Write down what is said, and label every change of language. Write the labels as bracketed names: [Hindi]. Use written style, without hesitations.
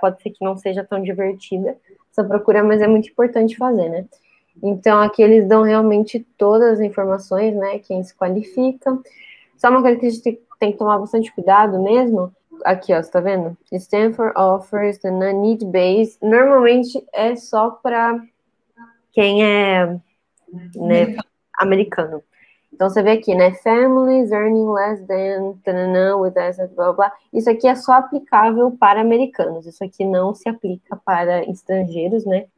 [Portuguese] Pode ser que não seja tão divertida essa procura, mas é muito importante fazer, né? Então, aqui eles dão realmente todas as informações, né? Quem se qualifica. Só uma coisa que a gente tem que tomar bastante cuidado mesmo. Aqui, ó, você tá vendo? [English] Stanford offers the need base. [Portuguese] Normalmente é só para quem é, né, Americano. americano. Então você vê aqui, né? [English] Families earning less than, [Portuguese] tanana, [English] with assets, [Portuguese] blá, blá. Isso aqui é só aplicável para americanos. Isso aqui não se aplica para estrangeiros, né?